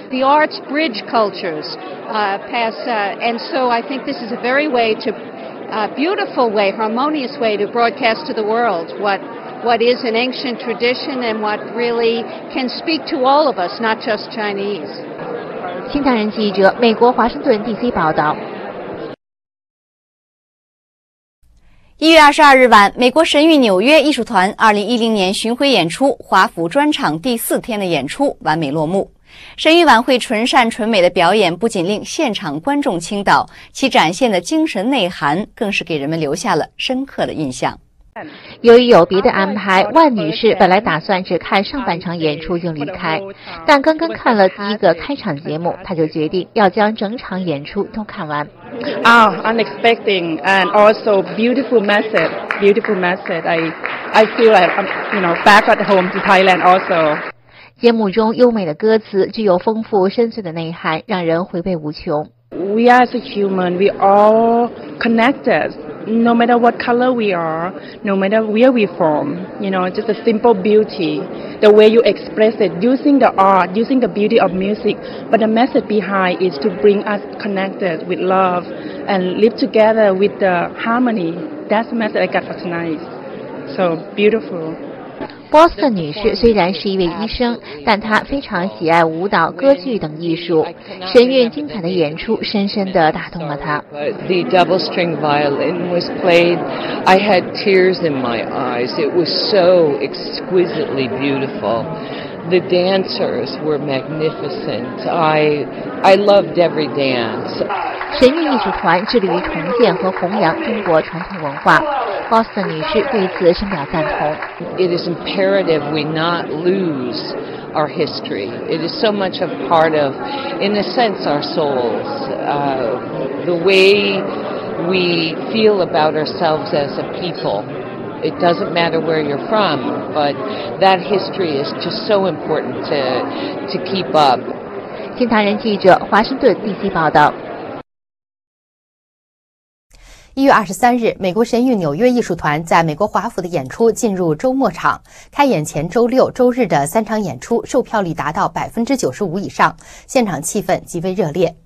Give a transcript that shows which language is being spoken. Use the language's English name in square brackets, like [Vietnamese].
[English] The arts bridge cultures, and so I think this is a beautiful way, harmonious way to broadcast to the world what is an ancient tradition and what really can speak to all of us, not just Chinese. [Chinese] 新唐人记者，美国华盛顿 DC 报道。 1月22日晚，美国神韵纽约艺术团2010年巡回演出华服专场第四天的演出完美落幕。神韵晚会纯善纯美的表演不仅令现场观众倾倒，其展现的精神内涵更是给人们留下了深刻的印象。由于有别的安排，万女士本来打算只看上半场演出就离开，但刚刚看了第一个开场节目，她就决定要将整场演出都看完。 [English] Ah, unexpected and also beautiful method, beautiful method. I feel like I'm, you know, back at home to Thailand also. [Chinese] 节目中优美的歌词具有丰富深邃的内涵，让人回味无穷。 [English] We as a human, we all connected. No matter what color we are, no matter where we from, you know, just a simple beauty, the way you express it, using the art, using the beauty of music, but the message behind is to bring us connected with love and live together with the harmony. That's the message I got for tonight. So beautiful. [Chinese] 波斯特女士虽然是一位医生，但她非常喜爱舞蹈、歌剧等艺术。神韵精彩的演出深深地打动了她。 [English] The double string violin was played. I had tears in my eyes. It was so exquisitely beautiful. The dancers were magnificent. I loved every dance. [Chinese] 神韵艺术团致力于重建和弘扬中国传统文化。波斯特女士对此深表赞同。 [English] It is imperative we not lose our history. It is so much a part of, in a sense, our souls. The way we feel about ourselves as a people. It doesn't matter where you're from, but that history is just so important to keep up. [Chinese] 新唐人记者，华盛顿 DC 报道。 1月23日，美国神韵纽约艺术团在美国华府的演出进入周末场，开演前周六、周日的三场演出售票率达到 95% 以上，现场气氛极为热烈。